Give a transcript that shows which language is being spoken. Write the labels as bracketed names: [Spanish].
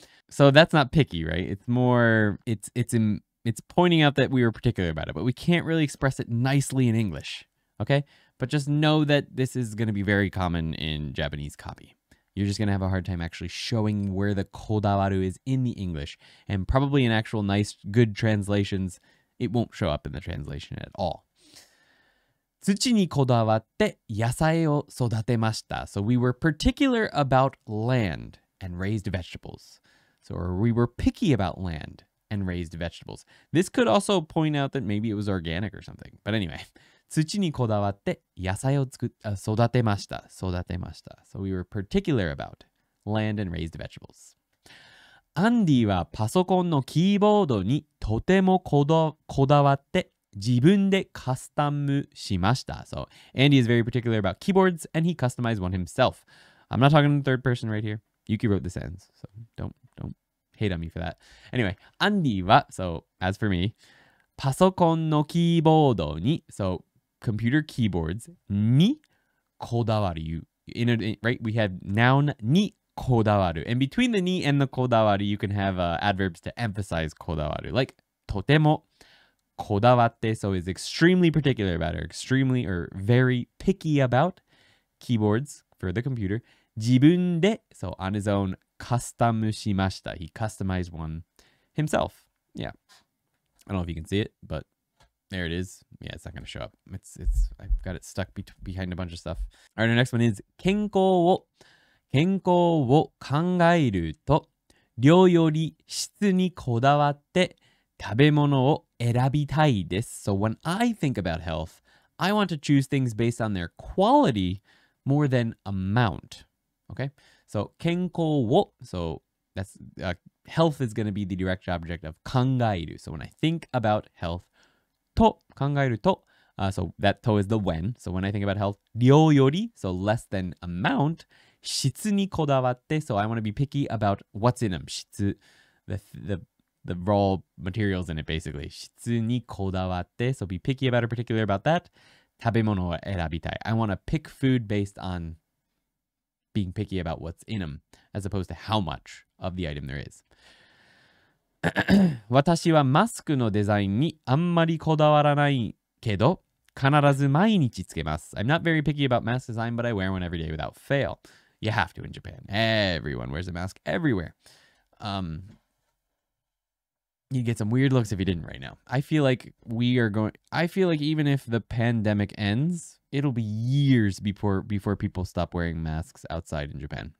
[English] So that's not picky, right? It's more, it's pointing out that we were particular about it, but we can't really express it nicely in English, okay? But just know that this is going to be very common in Japanese copy. You're just going to have a hard time actually showing where the kodawaru is in the English, and probably in actual nice, good translations, it won't show up in the translation at all. [Japanese] 土にこだわって野菜を育てました。 [English] So we were particular about land and raised vegetables. So we were picky about land and raised vegetables. This could also point out that maybe it was organic or something. But anyway, [Japanese] 土にこだわって野菜を育てました。育てました。 [English] So we were particular about land and raised vegetables. [Japanese] アンディはパソコンのキーボードにとてもこだわって自分でカスタムしました。 [English] So Andy is very particular about keyboards and he customized one himself. I'm not talking in third person right here. Yuki wrote the sentence, so don't hate on me for that. Anyway, Andy は, so as for me, [Japanese] パソコンのキーボードに, [English] so computer keyboards, [Japanese] にこだわる。 [English] Right, we have noun にこだわる. And between the にand the こだわる, you can have adverbs to emphasize こだわる. Like, [Japanese] とてもこだわって, [English] so is extremely particular about or extremely or very picky about keyboards for the computer. [Japanese] 自分で, [English] so on his own, [Japanese] カスタムしました. [English] He customized one himself. Yeah. I don't know if you can see it, but there it is. Yeah, it's not going to show up. It's I've got it stuck behind a bunch of stuff. All right, our next one is [Japanese] 健康を考えると量より質にこだわって食べ物を選びたいです。 [English] So when I think about health, I want to choose things based on their quality more than amount. Okay? So [Japanese] 健康を, [English] so that's health is going to be the direct object of [Japanese] 考える. [English] So when I think about health, [Japanese] と考えると, [English] so that to is the when. So when I think about health, [Japanese] 量より, [English] so less than amount, [Japanese] 質にこだわって, [English] so I want to be picky about what's in them. 質, the raw materials in it, basically. [Japanese] 質にこだわって, [English] so be picky about or particular about that. [Japanese] 食べ物を選びたい. [English] I want to pick food based on being picky about what's in them, as opposed to how much of the item there is. [Japanese] 私はマスクのデザインにあんまりこだわらないけど、必ず毎日つけます. [English] I'm not very picky about mask design, but I wear one every day without fail. You have to in Japan. Everyone wears a mask everywhere. You'd get some weird looks if you didn't right now. I feel like we are going... I feel like even if the pandemic ends, it'll be years before people stop wearing masks outside in Japan.